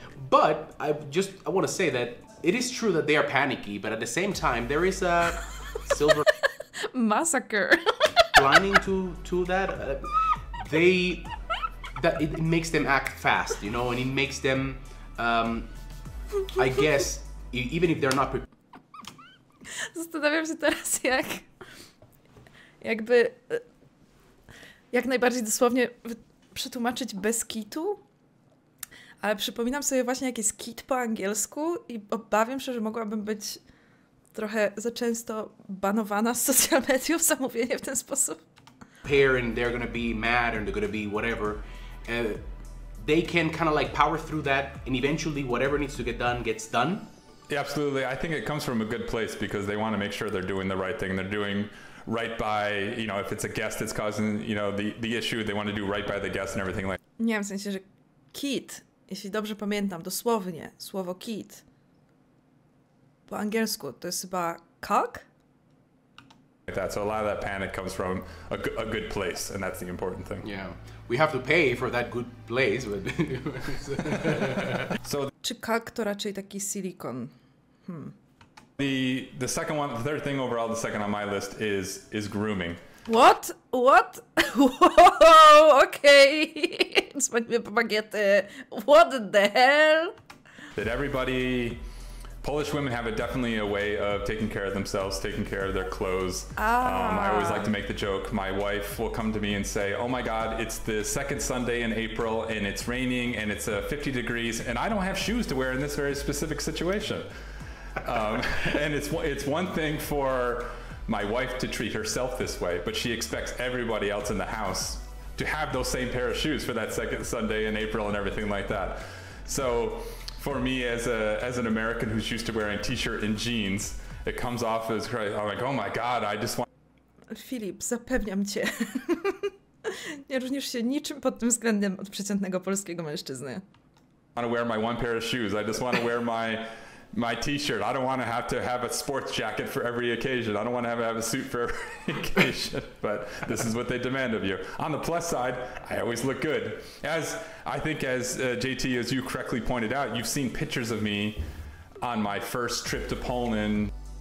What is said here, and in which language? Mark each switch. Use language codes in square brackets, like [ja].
[en] But I want to say that it is true that they are panicky, but at the same time, there is a silver... Massacre. ...lining to that. It makes them act fast, you know, and it makes them, I guess, even if they're not prepared. [pl] Zastanawiam się teraz, jak jakby jak najbardziej dosłownie przetłumaczyć bez kitu, ale przypominam sobie właśnie, jak jest kit po angielsku i obawiam się, że mogłabym być trochę za często banowana z social mediów za mówienie w ten sposób. [en] And they're gonna be mad and they're gonna be whatever. They can kind of like power through that and eventually whatever needs to get done gets done. Yeah, absolutely. I think it comes from a good place because they want to make sure they're doing the right thing. They're doing right by, you know, if it's a guest that's causing, you know, the issue, they want to do right by the guest and everything like that. [pl] Nie, w sensie, że kit, jeśli dobrze pamiętam, dosłownie, słowo kit, po angielsku, to jest chyba cock? [en] Like that. So a lot of that panic comes from a good place, and that's the important thing. Yeah. We have to pay for that good place. But so. [pl] Czy kak to raczej taki silikon? [en] The second one, the third thing overall, the second on my list is grooming. What? Whoa, okay. [pl] Smakuje po bagiety. [en] What the hell? That everybody, Polish women have definitely a way of taking care of themselves, taking care of their clothes. Ah. I always like to make the joke. My wife will come to me and say, oh my God, it's the second Sunday in April and it's raining and it's 50 degrees and I don't have shoes to wear in this very specific situation. And it's one thing for my wife to treat herself this way, but she expects everybody else in the house to have those same pair of shoes for that second Sunday in April and everything like that. So. For me, as an American who's used to wearing t-shirt and jeans, it comes off as crazy. I'm like, oh my God, I just want... [pl] Filip, zapewniam cię. Nie różnisz się niczym pod tym względem od przeciętnego polskiego mężczyzny. [en] I want to wear my one pair of shoes. I just want to wear my t-shirt. I don't want to have a sports jacket for every occasion. I don't want to have a suit for every occasion. But this is what they demand of you. On the plus side, I always look good. As JT, as you correctly pointed out, you've seen pictures of me on my first trip to Poland.